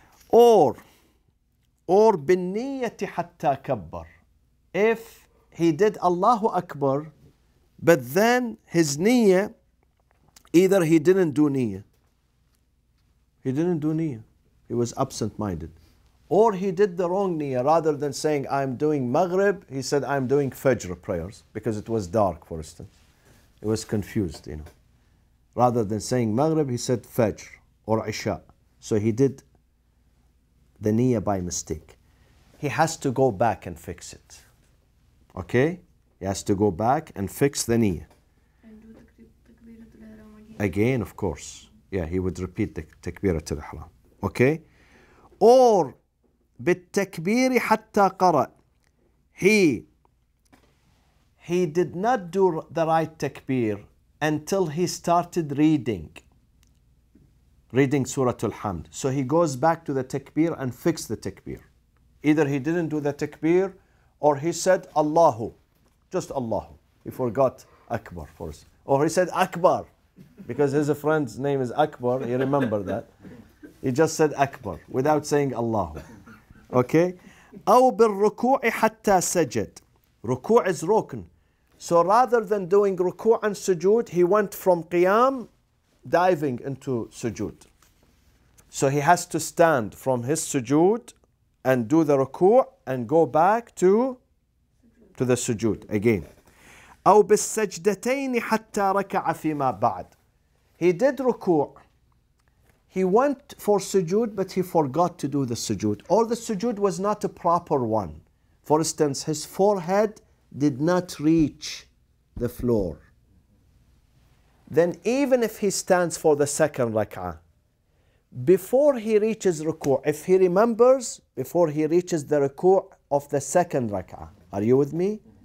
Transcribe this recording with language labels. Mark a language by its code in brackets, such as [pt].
[en] Or [ar] بِالنِّيَّةِ حَتَّى كَبَّرْ. [en] If he did Allahu Akbar, but then his niyyah, either he didn't do niyyah. He didn't do niyyah. He was absent-minded. Or he did the wrong niyyah. Rather than saying, I'm doing Maghrib, he said, I'm doing Fajr prayers, because it was dark, for instance. He was confused, you know. Rather than saying Maghrib, he said Fajr or Isha. So he did the niyyah by mistake. He has to go back and fix it. Okay? He has to go back and fix the niyyah. And do takbiratul ihram again. Again, of course. Yeah, he would repeat the takbiratul ihram. Okay? Or, [ar] بالتكبير حتى قرأ. [en] He did not do the right takbir until he started reading. Reading Surah Al-Hamd. So he goes back to the takbir and fix the takbir. Either he didn't do the takbir or he said Allahu, just Allahu. He forgot Akbar for us. Or he said Akbar, because his friend's name is Akbar. He remembered that. He just said Akbar without saying Allahu. Okay? [ar] أو بالركوع حتى سجد. [en] Ruku is rukn. So rather than doing ruku and sujood, he went from qiyam, diving into sujood. So he has to stand from his sujood and do the ruku and go back to the sujood again. [ar] أو بالسجدتين حتى ركع فيما بعد. [en] He did ruku. He went for sujood, but he forgot to do the sujood. Or the sujood was not a proper one. For instance, his forehead did not reach the floor. Then even if he stands for the second rak'ah, before he reaches ruku', if he remembers, before he reaches the ruku' of the second rak'ah, are you with me?